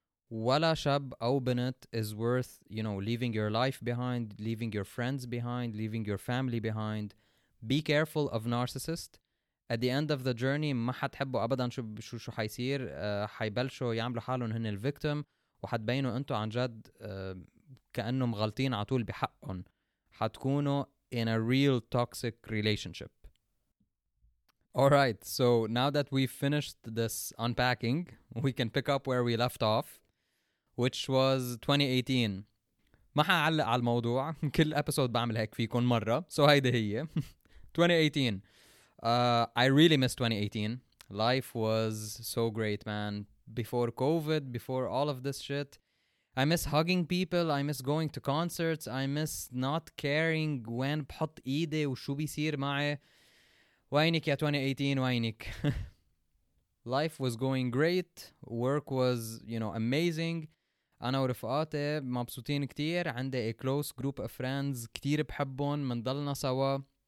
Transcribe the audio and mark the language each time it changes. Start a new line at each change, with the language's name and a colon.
Arabic: ولا شاب أو بنت
English: is worth you know leaving your life behind leaving your friends behind leaving your family behind. Be careful of narcissists.
Arabic: At the end of the journey ما حتحبوا أبدا شو حيصير حيبلشوا يعملوا حالهم هن الفيكتم وحتبينوا أنتوا عن جد كأنهم غلطين عطول بحقهم حتكونوا
English: in a real toxic relationship. Alright, so now that we finished this unpacking we can pick up where we left off which was 2018.
Arabic: ما حعلق على الموضوع كل episode بعمل هيك فيكن مرة so هيدا هي 2018.
English: I really miss 2018. Life was so great, man. Before COVID, before all of this shit, I miss hugging people. I miss going to concerts. I miss not caring when
Arabic: بحط إيدي وشو بيصير معي. وينك يا 2018 وينك.
English: Life was going great. Work was, you know, amazing.
Arabic: أنا ورفقاتي مبسوطين كتير. عندي
English: a close group of friends.
Arabic: كتير بحبهم. منضلنا سوا.